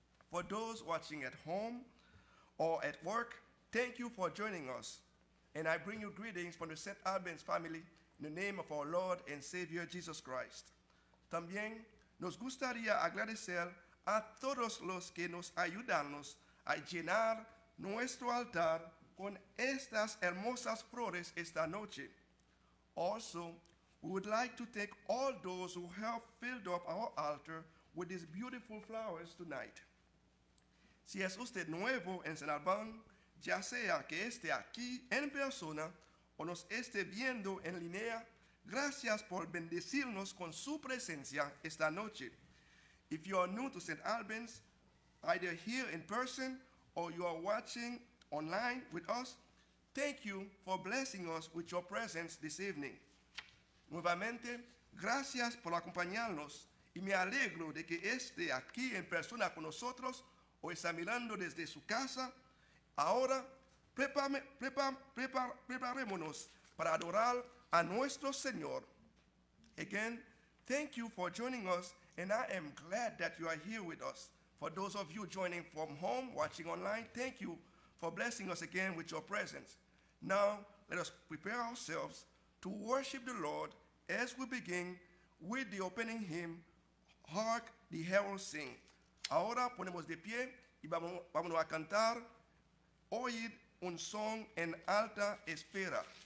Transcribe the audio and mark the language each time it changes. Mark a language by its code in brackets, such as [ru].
[en] For those watching at home or at work, thank you for joining us. And I bring you greetings from the St. Albans family in the name of our Lord and Savior Jesus Christ. [es] También nos gustaría agradecer a todos los que nos ayudarnos a llenar nuestro altar con estas hermosas flores esta noche. [en] Also, we would like to thank all those who have filled up our altar with these beautiful flowers tonight. [es] Si es usted nuevo en San Albán, ya sea que esté aquí en persona o nos esté viendo en línea, Gracias por bendecirnos con su presencia esta noche. [en] If you are new to St. Albans, either here in person or you are watching online with us, thank you for blessing us with your presence this evening. [es] Nuevamente, gracias por acompañarnos y me alegro de que esté aquí en persona con nosotros o examinando desde su casa. Ahora, preparémonos para adorar a nuestro Señor. [en] Again, thank you for joining us, and I am glad that you are here with us. For those of you joining from home, watching online, thank you for blessing us again with your presence. Now, let us prepare ourselves to worship the Lord as we begin with the opening hymn, Hark the Herald Sing. [es] Ahora ponemos de pie y vamos a cantar Oíd un son en alta espera.